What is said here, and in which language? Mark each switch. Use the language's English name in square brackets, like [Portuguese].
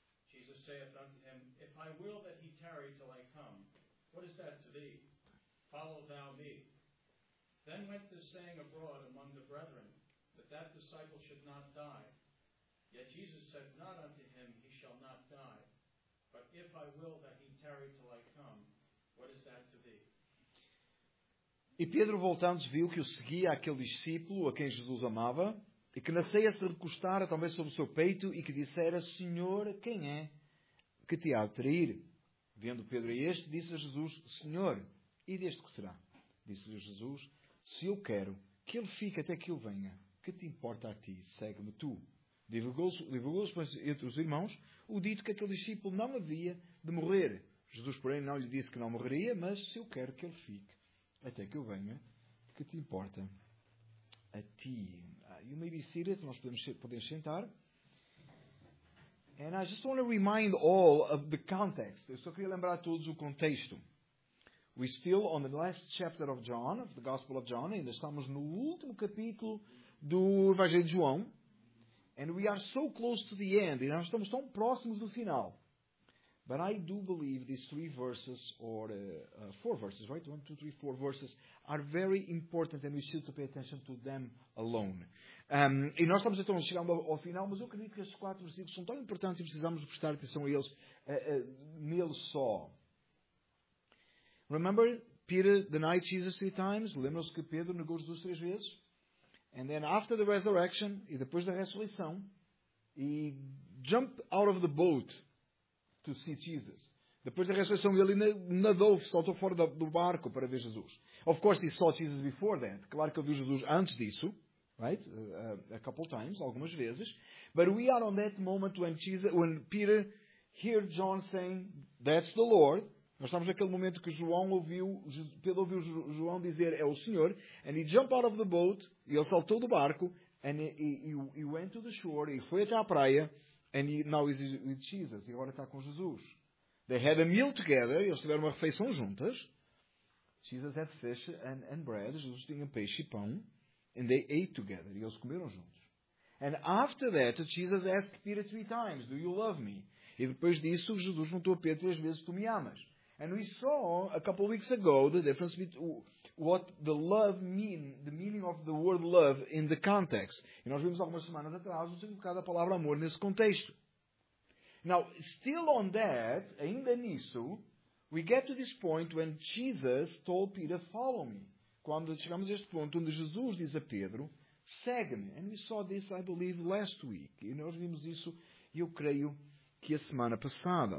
[English] Jesus saith unto him, If I will that he tarry till I come, what is that to thee? Follow thou me. Then went this saying abroad among the brethren, that disciple should not die. Yet Jesus said not unto him, He shall not die. But if I will that he tarry till I come, what is that to thee? [Portuguese] E Pedro, voltando, viu que o seguia aquele discípulo a quem Jesus amava, e que na ceia se recostara também sobre o seu peito, e que dissera, Senhor, quem é que te há de trair? Vendo Pedro a este, disse a Jesus, Senhor, e deste que será? Disse-lhe Jesus, se eu quero que ele fique até que eu venha, que te importa a ti? Segue-me tu. Divulgou-se entre os irmãos o dito que aquele discípulo não havia de morrer. Jesus, porém, não lhe disse que não morreria, mas se eu quero que ele fique até que eu venha, que te importa a ti? [English] You may be seated. [Portuguese] Nós podemos sentar. [English] And I just want to remind all of the context. [Portuguese] Eu só queria lembrar a todos o contexto. [English] We still on the last chapter of John, of the Gospel of John. [Portuguese] Ainda estamos no último capítulo do Evangelho de João. [English] And we are so close to the end. [Portuguese] E nós estamos tão próximos do final. [English] But I do believe these three verses, or four verses, right? One, two, three, four verses, are very important and we should pay attention to them alone. [Portuguese] E nós estamos então chegando ao final, mas eu acredito que estes quatro versículos são tão importantes e precisamos prestar atenção a eles, neles só. [English] Remember, Peter denied Jesus three times. [Portuguese] Lembram-se que Pedro negou Jesus três vezes? [English] And then after the resurrection, [Portuguese] e depois da ressurreição, [English] he jumped out of the boat to see Jesus. [Portuguese] Depois da ressurreição, ele nadou, saltou fora do barco para ver Jesus. [English] Of course, he saw Jesus before that. [Portuguese] Claro que ele viu Jesus antes disso, [English] right? A couple times, [Portuguese] algumas vezes. [English] But we are on that moment when Peter heard John saying, that's the Lord. [Portuguese] Nós estamos naquele momento que Pedro ouviu João dizer, é o Senhor. [English] And he jumped out of the boat, [Portuguese] e ele saltou do barco, [English] and he went to the shore, [Portuguese] e foi até à praia. [English] And now he's with Jesus. [Portuguese] E agora está com Jesus. [English] They had a meal together. [Portuguese] Eles tiveram uma refeição juntas. [English] Jesus had fish and bread. [Portuguese] Jesus tinha peixe e pão. [English] And they ate together. [Portuguese] E eles comeram juntos. [English] And after that, Jesus asked Peter 3 times, do you love me? [Portuguese] E depois disso, Jesus perguntou a Pedro 3 vezes, tu me amas? [English] And we saw a couple of weeks ago the difference between what the love mean, the meaning of the word love in the context. [Portuguese] E nós vimos algumas semanas atrás o significado da palavra amor nesse contexto. [English] Now, still on that, [Portuguese] ainda nisso, [English] we get to this point when Jesus told Peter, follow me. [Portuguese] Quando chegamos a este ponto onde Jesus diz a Pedro, segue-me. [English] And we saw this, I believe, last week. [Portuguese] E nós vimos isso, eu creio, que a semana passada.